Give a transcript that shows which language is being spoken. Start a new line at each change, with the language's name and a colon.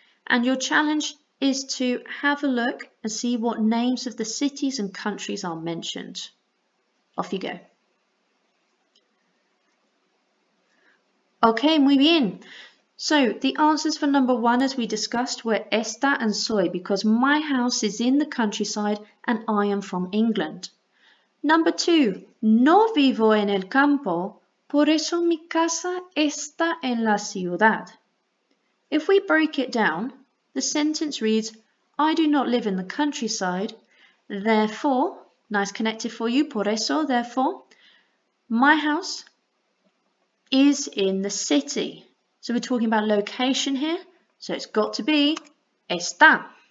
English: And your challenge is to have a look and see what names of the cities and countries are mentioned. Off you go. Okay,
Spanish: muy bien.
English: So the answers for number one, as we discussed, were esta and soy, because my house is in the countryside and I am from England. Number two,
Spanish: no vivo en el campo, por eso mi casa está en la ciudad.
English: If we break it down, the sentence reads, I do not live in the countryside, therefore, nice connective for you,
Spanish: por eso,
English: therefore, my house is in the city. So we're talking about location here, so it's got to be está.